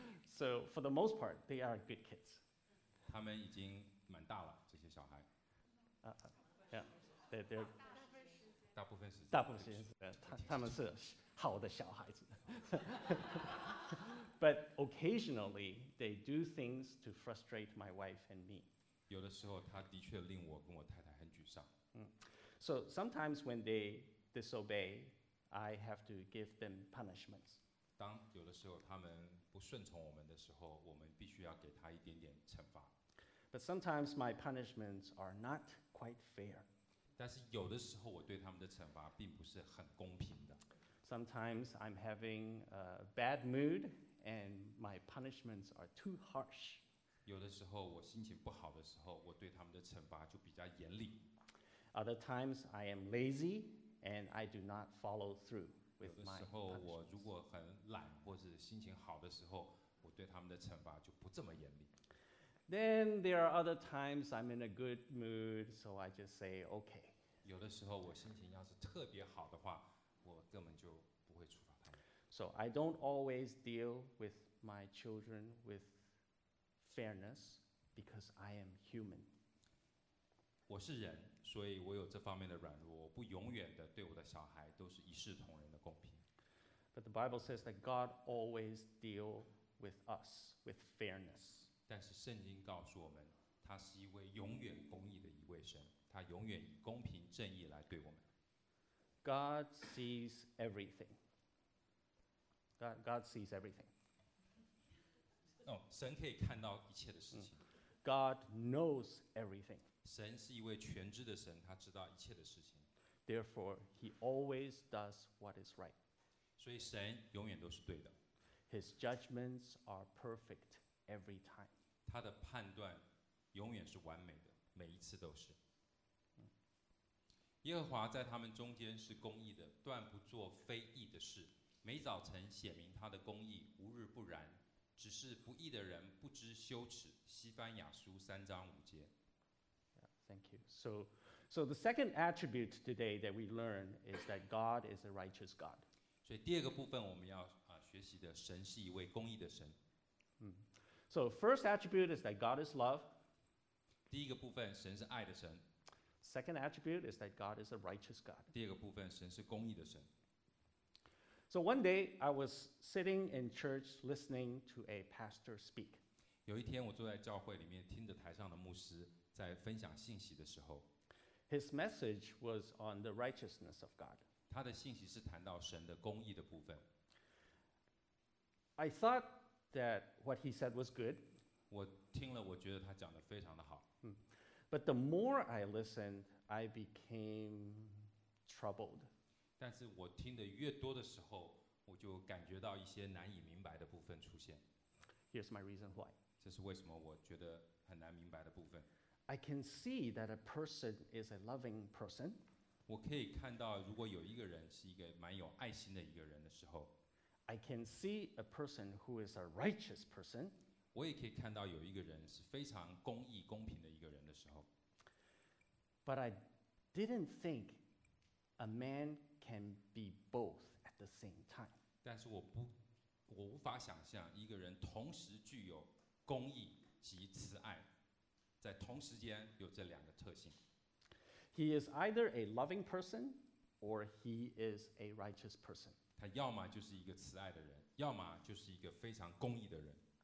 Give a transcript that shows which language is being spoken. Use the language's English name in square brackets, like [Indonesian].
[English] So for the most part, they are good kids. [Chinese] 他们已经蛮大了，这些小孩。 [English] Yeah, they're [Chinese] 大部分时间。大部分时间，他们是好的小孩子。 [English] But occasionally, they do things to frustrate my wife and me. [Chinese] 有的时候，他的确令我跟我太太很沮上。 [English] So sometimes when they disobey, I have to give them punishments. [Chinese] 当有的时候他们不顺从我们的时候，我们必须要给他一点点惩罚。 [English] But sometimes my punishments are not quite fair. [Chinese] 但是有的时候我对他们的惩罚并不是很公平的。 [English] Sometimes I'm having a bad mood and my punishments are too harsh. [Chinese] 有的时候我心情不好的时候，我对他们的惩罚就比较严厉。 [English] Other times I am lazy and I do not follow through with my punishments. [Chinese] 有的时候我如果很懒或是心情好的时候，我对他们的惩罚就不这么严厉。 [English] Then there are other times I'm in a good mood, so I just say okay. [Chinese] 有的时候我心情要是特别好的话，我根本就不会处罚他们。 [English] So I don't always deal with my children with fairness because I am human. [Chinese] 我是人，所以我有这方面的软弱。我不永远的对我的小孩都是一视同仁的公平。 [English] But the Bible says that God always deals with us with fairness. [Chinese] 但是圣经告诉我们，他是一位永远公义的一位神，他永远以公平正义来对我们。 [English] God sees everything. God sees everything. No, [Chinese] 神可以看到一切的事情。 [English] God knows everything. [Chinese] 神是一位全知的神，他知道一切的事情。 [English] Therefore, he always does what is right. [Chinese] 所以神永远都是对的。 [English] His judgments are perfect every time. [Chinese] 他的判断永远是完美的，每一次都是。耶和华在他们中间是公义的，断不做非义的事。每早晨显明他的公义，无日不然。只是不义的人不知羞耻。西番雅书三章五节。 [English] Yeah, thank you. So the second attribute today that we learn is that God is a righteous God. [Chinese] 所以第二个部分我们要学习的，神是一位公义的神。 [English] So first attribute is that God is love. [Chinese] 第一个部分，神是爱的神。 [English] Second attribute is that God is a righteous God. [Chinese] 第二个部分，神是公义的神。 [English] So one day I was sitting in church listening to a pastor speak. [Chinese] 有一天我坐在教会里面听着台上的牧师在分享信息的时候。 [English] His message was on the righteousness of God. [Chinese] 他的信息是谈到神的公义的部分。 [English] I thought that what he said was good. [Chinese] 我听了，我觉得他讲得非常的好。 [English] But the more I listened, I became troubled. [Chinese] 但是我听得越多的时候，我就感觉到一些难以明白的部分出现。 [English] Here's my reason why. [Chinese] 这是为什么我觉得很难明白的部分。 [English] I can see that a person is a loving person. [Chinese] 我可以看到，如果有一个人是一个蛮有爱心的一个人的时候。 [English] I can see a person who is a righteous person. [Chinese] 我也可以看到有一个人是非常公义公平的一个人。 [English] But I didn't think a man can be both at the same time. [Chinese] 但是我无法想象一个人同时具有公义及慈爱，在同时间有这两个特性。 [English] He is either a loving person or he is a righteous person. [Chinese] 他要么就是一个慈爱的人，要么就是一个非常公义的人。